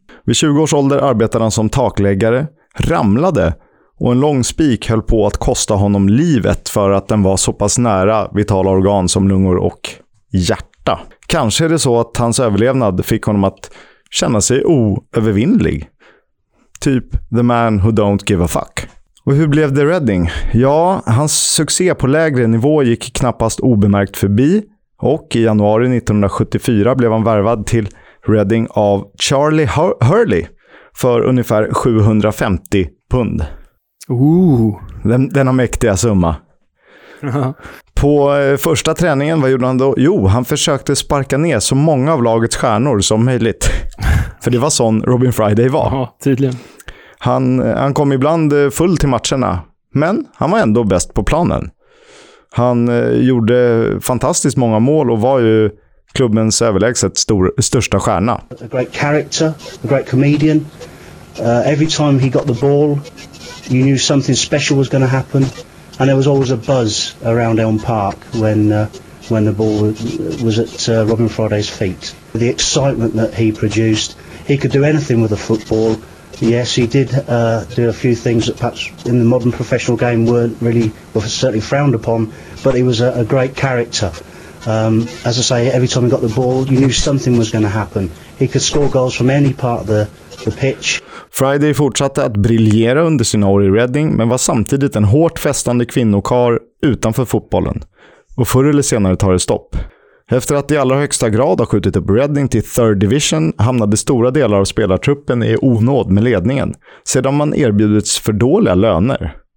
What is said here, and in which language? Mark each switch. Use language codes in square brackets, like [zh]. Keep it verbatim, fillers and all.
[sv] Vid tjugo års ålder arbetade han som takläggare, ramlade och en lång spik höll på att kosta honom livet för att den var så pass nära vitala organ som lungor och hjärta. Kanske är det så att hans överlevnad fick honom att känna sig oövervinnlig. [en] Typ the man who don't give a fuck. [sv] Och hur blev det Reading? Ja, hans succé på lägre nivå gick knappast obemärkt förbi och i januari nittonhundrasjuttiofyra blev han värvad till Reading av Charlie Hur- Hurley för ungefär sjuhundrafemtio pund. Ooh. Den, denna mäktiga summa. Uh-huh. På eh, första träningen, vad gjorde han då? Jo, han försökte sparka ner så många av lagets stjärnor som möjligt. För det var sån Robin Friday var. Ja, tydligen. Han, han kom ibland full till matcherna, men han var ändå bäst på planen. Han eh, gjorde fantastiskt många mål och var ju klubbens överlägset stor, största stjärna. [en] A great character, a great comedian. Uh, every time he got the ball, you knew something special was going to happen. And there was always a buzz around Elm Park when uh, when the ball was at uh, Robin Friday's feet. The excitement that he produced, he could do anything with the football. Yes, he did uh, do a few things that perhaps in the modern professional game weren't really, well, certainly frowned upon, but he was a, a great character. Um, as I say, every time he got the ball, you knew something was going to happen. He could score goals from any part of the, the pitch. [sv] Friday fortsatte att briljera under sina år i Reading, men var samtidigt en hårt festande kvinnokar utanför fotbollen. Och förr eller senare tar det stopp. Efter att i allra högsta grad har skjutit upp Reading till Third Division hamnade stora delar av spelartruppen i onåd med ledningen, sedan man erbjudits för dåliga löner.